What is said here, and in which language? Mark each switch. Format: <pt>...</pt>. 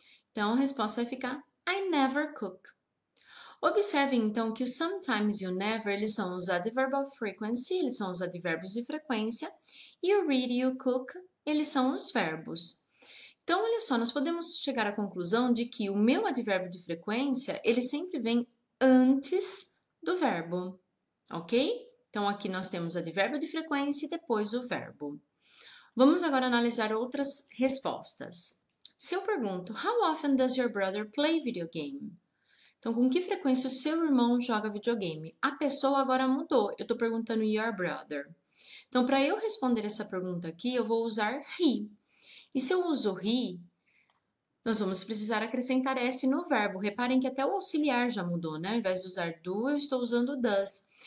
<pt>Então, a resposta vai ficar</pt> <en>I never cook.</en> <pt>Observe então que o sometimes e o never, eles são os</pt> <en>adverbs of frequency,</en> <pt>eles são os advérbios de frequência, e o read e o cook, eles são os verbos. Então, olha só, nós podemos chegar à conclusão de que o meu advérbio de frequência, ele sempre vem antes do verbo, ok? Então, aqui nós temos advérbio de frequência e depois o verbo. Vamos agora analisar outras respostas. Se eu pergunto,</pt> <en>how often does your brother play video game?</en> <pt>Então, com que frequência o seu irmão joga videogame? A pessoa agora mudou. Eu estou perguntando</pt> <en>your brother.</en> <pt>Então, para eu responder essa pergunta aqui, eu vou usar he. E se eu uso he, nós vamos precisar acrescentar s no verbo. Reparem que até o auxiliar já mudou, né? Ao invés de usar do, eu estou usando does.</pt>